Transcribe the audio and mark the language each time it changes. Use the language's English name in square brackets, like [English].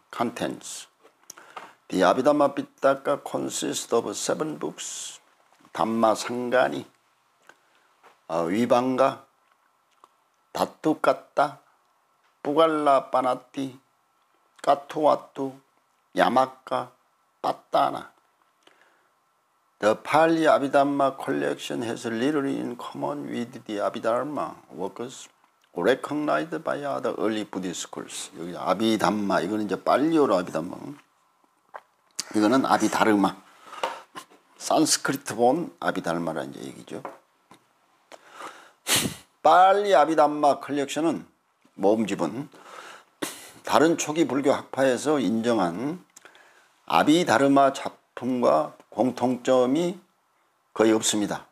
[English] Contents. The Abhidhamma Pitaka consists of seven books. [Korean] 담마 상가니, 위방가, 다투까타, 뿌갈라 빠나띠, 까투와뚜, 야마까, 빠따나. [English] The Pali Abhidhamma collection has little in common with the Abhidharma works recognized by other early Buddhist schools. [Korean] 여기 아비담마, 이거는 이제 빨리어로 아비담마. 이거는 아비다르마. 산스크리트 본 아비다르마라는 이제 얘기죠. 빨리 아비담마 컬렉션은 모음집은 다른 초기 불교 학파에서 인정한 아비다르마 작품과 공통점이 거의 없습니다.